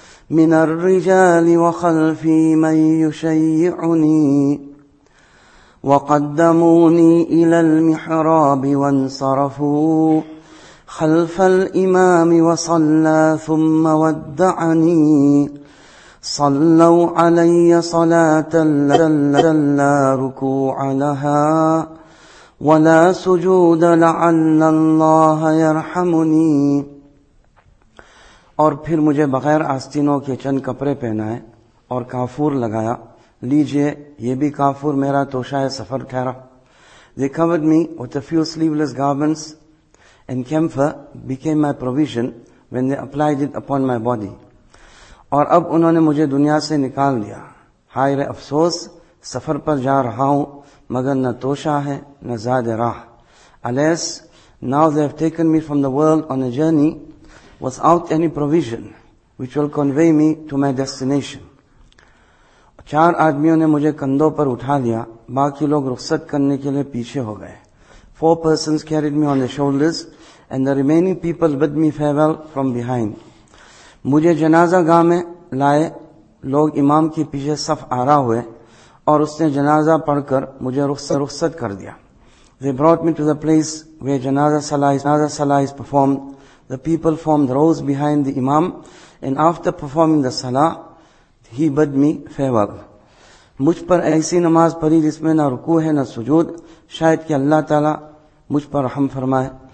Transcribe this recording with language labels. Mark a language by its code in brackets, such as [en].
[ar] من الرجال وخلفي من يشيعني وقدموني إلى المحراب وانصرفوا خلف الإمام وصلى ثم ودعني صلوا علي صلاة لا ركوع لها ولا سجود لعل الله يرحمني. [ur] اور پھر مجھے بغیر آستینوں کے چند کپڑے پہنائے اور کافور لگایا. لیجئے یہ بھی کافور میرا توشہ سفر ٹھہرا. [en] They covered me with a few sleeveless garments and camphor became my provision when they applied it upon my body. [ur] اور اب انہوں نے مجھے دنیا سے نکال دیا. حائر افسوس, سفر پر جا رہا ہوں مگر نہ توشہ ہے نہ زاد راہ. [en] Alas, now they have taken me from the world on a journey without any provision which will convey me to my destination. [ur] چار آدمیوں نے مجھے کندھوں پر اٹھا لیا, باقی لوگ رخصت کرنے کے لیے پیچھے ہو گئے. [en] Four persons carried me on their shoulders and the remaining people bid me farewell from behind. [ur] مجھے جنازہ گاہ میں لائے, لوگ امام کے پیچھے صف آرا ہوئے اور اس نے جنازہ پڑھ کر مجھے رخصت کر دیا. [en] They brought me to the place where janaza salah is performed. The people formed rows behind the imam and after performing the salah, he bid me farewell. [ur] مجھ پر ایسی نماز پڑھی جس میں نہ رکوع ہے نہ سجود, شاید کہ اللہ تعالیٰ مجھ پر رحم فرمائے.